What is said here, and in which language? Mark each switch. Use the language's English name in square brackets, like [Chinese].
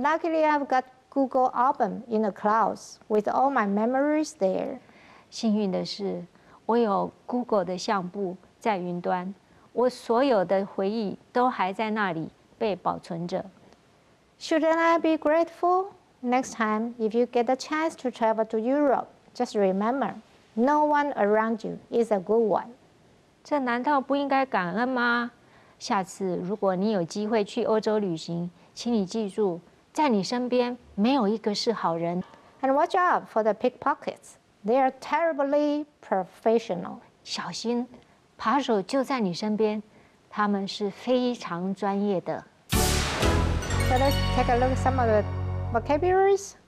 [English] luckily, I've got Google Album in the clouds with all my memories there. [Chinese] 幸运的是，我有 Google 的相簿在云端，我所有的回忆都还在那里被保存着。 [English] Shouldn't I be grateful? Next time, if you get a chance to travel to Europe, just remember, no one around you is a good one. [Chinese] 这难道不应该感恩吗？下次如果你有机会去欧洲旅行，请你记住，在你身边没有一个是好人。 [English] And watch out for the pickpockets. They are terribly professional. [Chinese] 小心，扒手就在你身边，他们是非常专业的。 [English] So let's take a look at some of the vocabularies.